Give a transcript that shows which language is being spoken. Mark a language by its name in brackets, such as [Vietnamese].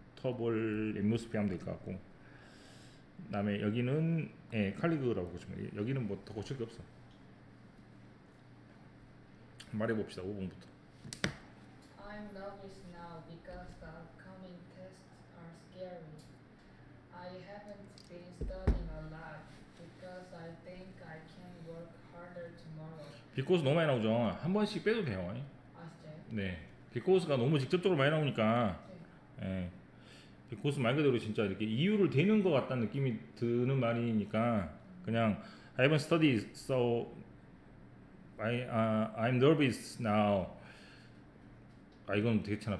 [Korean] 컴포터블 앤모스피 하면 될 것 같고 다음에 여기는 예, 칼리그라고 고치면 여기는 뭐 더 고칠 게 없어. 말해봅시다. 5번부터. [English] I'm nervous now because the upcoming tests are scary. I haven't been studying a lot because I think I can work harder tomorrow. [Korean] 비코스 너무 많이 나오죠. 한 번씩 빼도 돼요. 아 진짜요? 네. 비코스가 너무 직접적으로 많이 나오니까. 네. 네. 비코스 말 그대로 진짜 이렇게 이유를 대는 것 같다는 느낌이 드는 말이니까 그냥 [English] I haven't studied so I'm nervous now. [Korean] 아 이건 되겠잖아.